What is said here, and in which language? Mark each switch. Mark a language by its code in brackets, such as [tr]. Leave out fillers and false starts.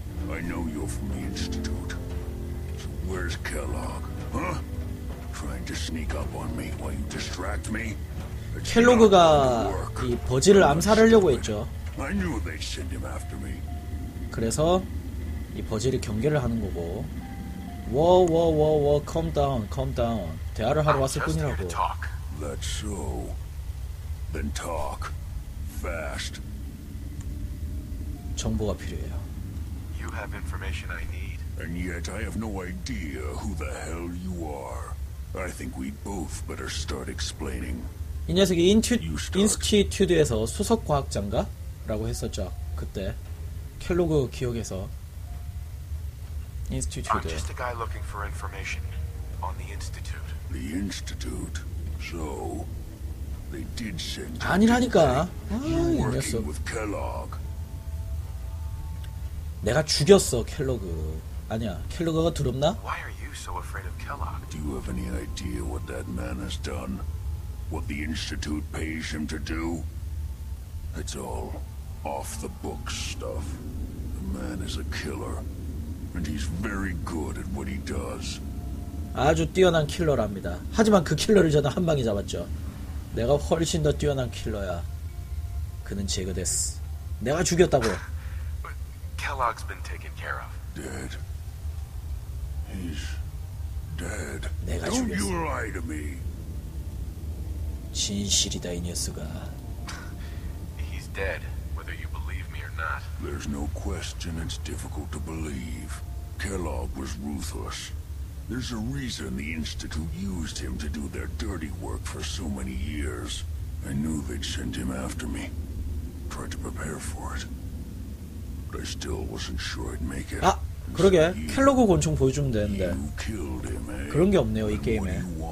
[en] I know you're from the Institute. So where's Kellogg, huh? Trying to sneak up on me while you distract me? [ko] 켈로그가 이 버지를 암살하려고 했죠. [en] I knew they'd send him after me. [ko] 그래서 이 버지를 경계를 하는 거고. [en] Whoa, whoa, whoa, whoa, calm down, calm down. [ko] 대화를 하러 왔을 뿐이라고. [en] That's so. Then talk fast. [ko] 정보가 필요해요. [en] You have information I need. And yet I have no idea who the hell you are. I think we both better start explaining. [ko] 이 녀석이 인스티튜드에서 수석 과학자인가? 라고 했었죠. 그때 켈로그 기억에서 인스티튜드. [en] I'm just a guy looking for information on the Institute. The Institute. So they did send. [ko] 아니라니까. 아, 이 녀석. [en] With Kellogg. [ko] 내가 죽였어, 켈로그. 아니야, 켈로그가 두렵나? [en] Why are you so afraid of Kellogg? Do you have any idea what that man has done? What the Institute pays him to do? It's all off the books stuff. The man is a killer. And he's very good at what he does. [ko] 아주 뛰어난 킬러랍니다. 하지만 그 킬러를 저는 한 방에 잡았죠. 내가 훨씬 더 뛰어난 킬러야. 그는 제거됐어. 내가 죽였다고. [en] Kellogg's been taken care of. Dead. He's dead. [ko] 내가 [en] Don't [ko] 죽였어. [en] Don't you lie to me. [ko] 진실이다 이 녀석아. [en] He's dead, whether you believe me or not. There's no question it's difficult to believe. Kellogg was ruthless. There's a reason the Institute used him to do their dirty work for so many years. I knew they'd send him after me. Tried to prepare for it. But I still wasn't sure I'd make it. [ko] 아, 그러게. 켈로그 권총 보여주면 되는데. 그런 게 없네요, 이 게임에.